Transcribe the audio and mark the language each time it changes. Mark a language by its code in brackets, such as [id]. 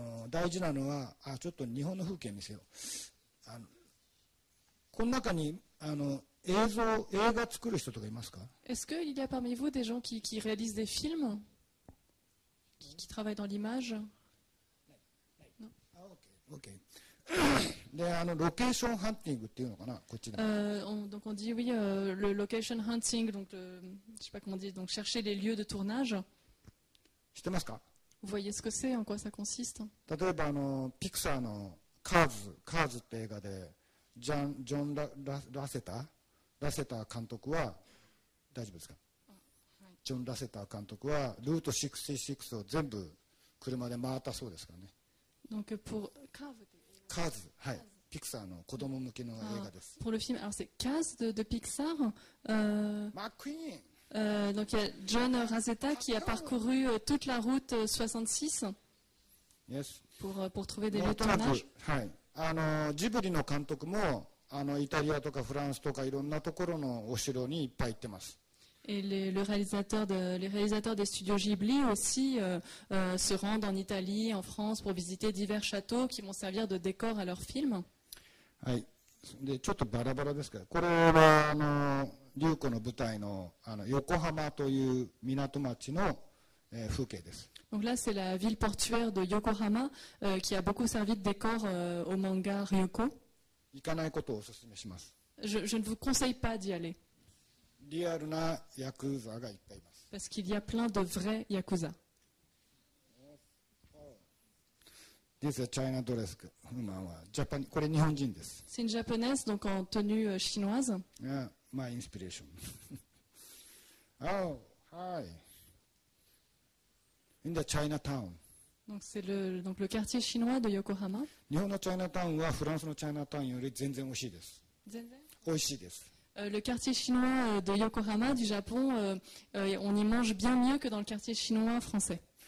[ja] 大事なのはあちょっと日本の風景見せよう。この中に映像映画作る人とかいますか？ [fr] Est-ce qu'il y a parmi vous des gens qui réalisent des films qui travaillent dans l'image？ [en] OK。 [ja] で、ロケーションハンティングっていうのかな、こっちで。 [fr] Donc on dit oui, le location hunting, donc le, je sais pas comment dire, donc chercher les lieux de tournage。 [ja] 知ってますか？ [fr] Vous voyez ce que c'est, en quoi ça consiste？ [ja] 例えばピクサーのカーズって映画で、ジョン ラセター監督は、大丈夫ですか？ジョン・ラセター監督は、ルート66を全部車で回ったそうですからね。 [fr] Donc pour Cars, [ja] Cars, はい、ピクサーの子供向けの映画です。 [fr] Pour le film, alors c'est Cars de Pixar. [en] McQueen. [fr] Donc il y a John Razzetta qui a parcouru toute la route 66. [en] Yes. [fr] Pour trouver des lieux de tournage. [ja] はい。ジブリの監督もイタリアとかフランスとかいろんなところのお城にいっぱい行ってます。 [fr] Et les réalisateurs des studios Ghibli aussi se rendent en Italie, en France pour visiter divers châteaux qui vont servir de décor à leurs films. [ja] はい。で、ちょっとバラバラですけど、これは龍子の舞台の横浜という港町の風景です。 [fr] Donc là, c'est la ville portuaire de Yokohama qui a beaucoup servi de décor au manga Ryuko. [ja] 行かないことをお勧めします。 [fr] Je ne vous conseille pas d'y aller. [ja] リアルなヤクザがいっぱいいます。 [fr] Parce qu'il y a plein de vrais yakuza. [en] This is a China dress. Woman は Japan. [ja] これ日本人です。 [fr] C'est une japonaise, donc en tenue chinoise. [en] Yeah, my inspiration. Oh, hi. In the Chinatown. [fr] Donc c'est le quartier chinois de Yokohama. [ja] 日本の Chinatown はフランスの Chinatown より全然美味しいです。全然。美味しいです。 [fr] Le quartier chinois de Yokohama, du Japon, on y mange bien mieux que dans le quartier chinois français.